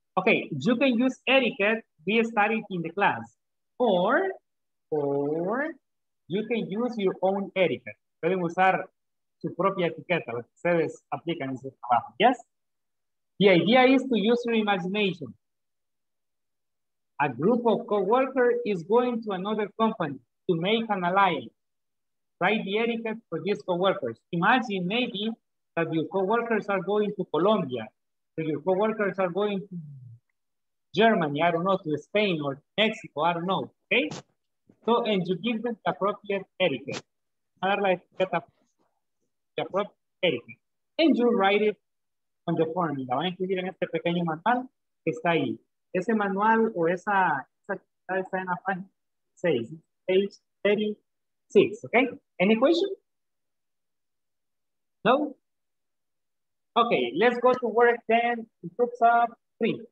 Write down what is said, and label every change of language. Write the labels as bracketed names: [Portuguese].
[English] Okay, you can use etiquette be studied in the class. Or you can use your own etiquette. [Spanish] Pueden usar su propia etiqueta, lo que ustedes aplican en su trabajo, yes? [English] The idea is to use your imagination. A group of co-workers is going to another company to make an alliance. Write the etiquette for these co-workers. Imagine maybe that your co-workers are going to Colombia, or your co-workers are going to Germany, I don't know, to Spain or Mexico, I don't know, okay? So, and you give them the appropriate etiquette. The appropriate etiquette. And you write it on the form. [Spanish] La van a escribir en este pequeño manual que está ahí. Ese manual o esa actividad está en la página 6, page 36, okay? [English] Any question? No? Okay, let's go to work then, in groups of 3.